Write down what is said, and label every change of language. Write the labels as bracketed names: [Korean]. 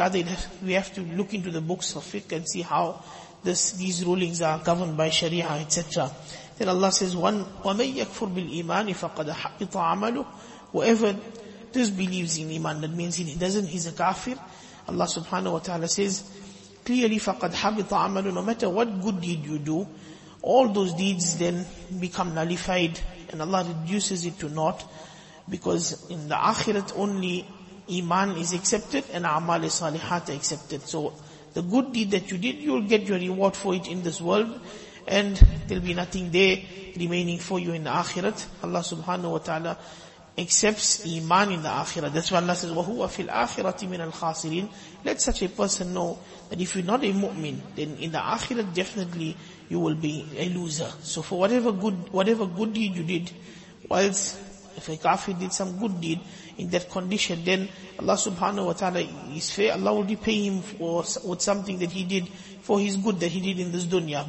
[English] Rather, we have to look into the books of fiqh and see how these rulings are governed by sharia, etc. Then Allah says, "One [Arabic] وَمَن يَكْفُر بِالْإِيمَانِ فَقَدْ حَبِطَ عَمَلُهُ. [English] Whoever disbelieves in iman, that means he's a kafir. Allah subhanahu wa ta'ala says, clearly, [Arabic] فَقَدْ حَبِطَ عَمَلُهُ. [English] No matter what good deed you do, all those deeds then become nullified and Allah reduces it to naught, because in the akhirat only iman is accepted and amal salihat are accepted. So the good deed that you did, you'll get your reward for it in this world, and there'll be nothing there remaining for you in the akhirat. Allah subhanahu wa ta'ala accepts iman in the akhirat. That's why Allah says, [Arabic] وَهُوَ فِي الْآخِرَةِ مِنَ الْخَاسِرِينَ. [English] Let such a person know that if you're not a mu'min, then in the akhirat definitely you will be a loser. So for whatever good deed you did, whilst if a kafir did some good deed in that condition, then Allah subhanahu wa ta'ala is fair. Allah will repay him with something that he did for his good that he did in this dunya.